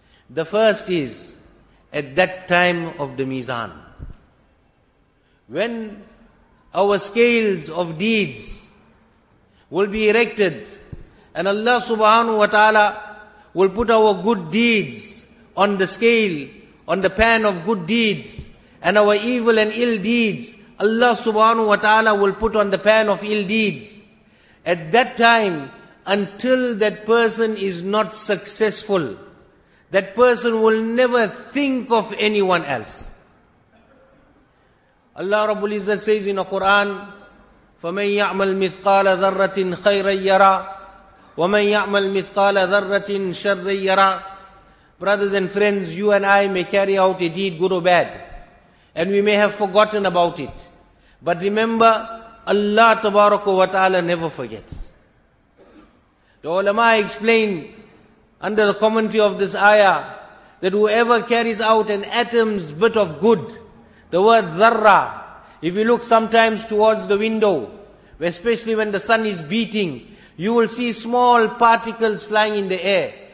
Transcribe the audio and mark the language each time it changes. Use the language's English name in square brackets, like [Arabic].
[English] The first is at that time of the mizan, when our scales of deeds will be erected and Allah subhanahu wa ta'ala will put our good deeds on the scale, on the pan of good deeds, and our evil and ill deeds Allah subhanahu wa ta'ala will put on the pan of ill deeds. At that time, until that person is not successful, that person will never think of anyone else." Allah Rabbul Izzat says in the Quran, [Arabic] "فَمَنْ يَعْمَلْ مِثْقَالَ ذَرَّةٍ خَيْرًا يَرَى وَمَنْ يَعْمَلْ مِثْقَالَ ذَرَّةٍ شَرًّا يَرَى." [English] Brothers and friends, you and I may carry out a deed, good or bad, and we may have forgotten about it. But remember, Allah Tabaraka wa Ta'ala never forgets. The ulama explain under the commentary of this ayah that whoever carries out an atom's bit of good, the word dharra, if you look sometimes towards the window, especially when the sun is beating, you will see small particles flying in the air.